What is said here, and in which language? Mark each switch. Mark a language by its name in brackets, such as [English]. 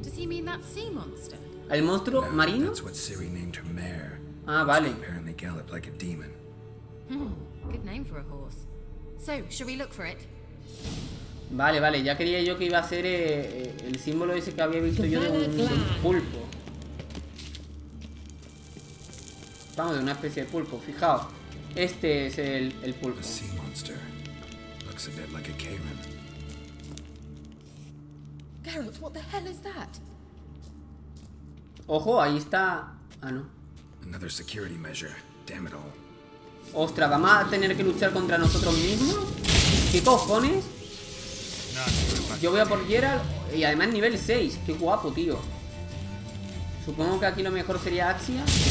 [English] Does he mean that sea monster? [Spanish] ¿El monstruo marino? [English] That's what Ciri named her mare. [Spanish] Ah, vale. [English] Apparently gallop like a demon. Good name for a horse. So, shall we look for it? [Spanish] Vale, vale, ya creía yo que iba a ser el símbolo ese que había visto yo de un pulpo. Vamos, de una especie de pulpo, fijaos. Este es el pulpo. [English] A sea monster. Looks a bit like a caiman. Geralt, what the hell is that? [Spanish] Ojo, ahí está. Ah, no. [English] Another security measure. Damn it all. [Spanish] Ostras, ¿vamos a tener que luchar contra nosotros mismos? ¿Qué cojones? Yo voy a por Geralt y además nivel 6. Qué guapo, tío. Supongo que aquí lo mejor sería Axia.